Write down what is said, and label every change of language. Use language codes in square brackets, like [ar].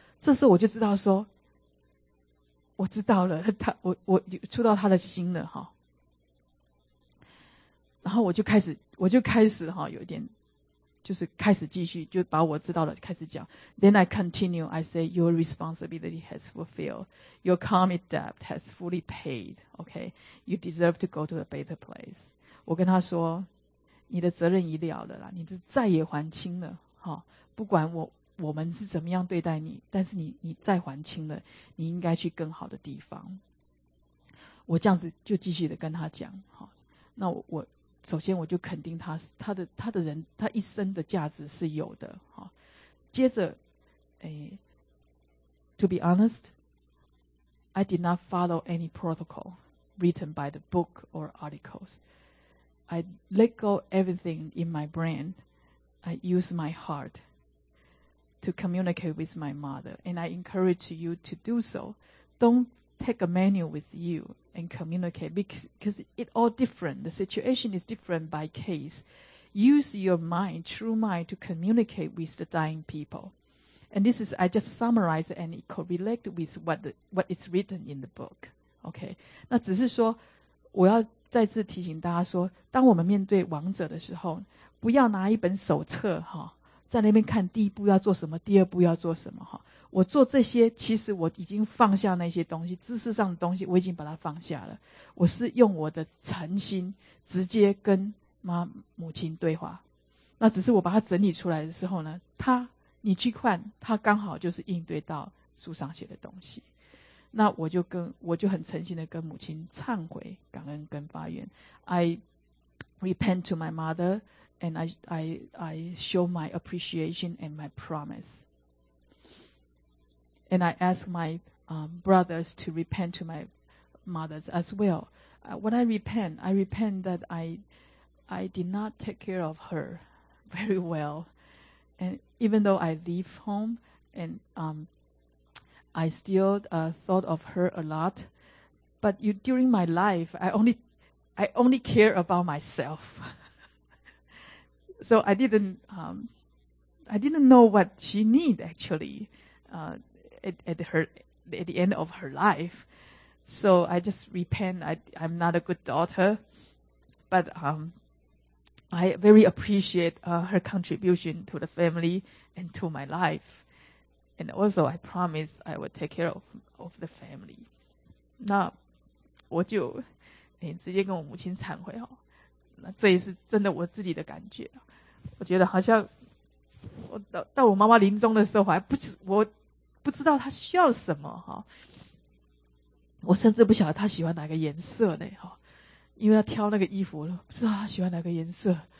[zh] 这时候我就知道说，我知道了，我触到他的心了哈。然后我就开始哈，有点就是开始继续，就把我知道了开始讲。 [en] Then I continue, I say, your responsibility has fulfilled, your karmic debt has fully paid. Okay, you deserve to go to a better place. [zh] 我跟他说，你的责任已了了啦，你是债也还清了、哦、不管我们是怎么样对待你，但是你债还清了，你应该去更好的地方。我这样子就继续的跟他讲、哦、那 我首先我就肯定他的人，他一生的价值是有的、哦、接着、 [en] To be honest, I did not follow any protocol written by the book or articlesI let go everything in my brain. I use my heart to communicate with my mother. And I encourage you to do so. Don't take a manual with you and communicate because it's all different. The situation is different by case. Use your mind, true mind, to communicate with the dying people. And this is, I just summarize and it correlate with what is written in the book. Okay. [zh] 那只是说我要再次提醒大家说，当我们面对亡者的时候，不要拿一本手册、哦、在那边看第一步要做什么，第二步要做什么、哦、我做这些其实我已经放下那些东西，知识上的东西我已经把它放下了，我是用我的诚心直接跟母亲对话。那只是我把它整理出来的时候呢，他你去看他刚好就是应对到书上写的东西。那我就很诚心的跟母亲忏悔、感恩跟发愿。 [en] I repent to my mother and I show my appreciation and my promise. And I ask my brothers to repent to my mothers as well. When I repent that I did not take care of her very well. And even though I leave home and I still thought of her a lot, but you, during my life, I only care about myself. So I didn't know what she needs actually at the end of her life. So I just repent. I'm not a good daughter, but I very appreciate her contribution to the family and to my life. And also, I promise I will take care of the family. [zh] 那我就、欸、直接跟我母亲忏悔、哦、那这也是真的我自己的感觉。我觉得好像我 到我妈妈临终的时候，我不知道她需要什么、哦、我甚至不晓得她喜欢哪个颜色呢、哦、因为她挑那个衣服，不知道她喜欢哪个颜色。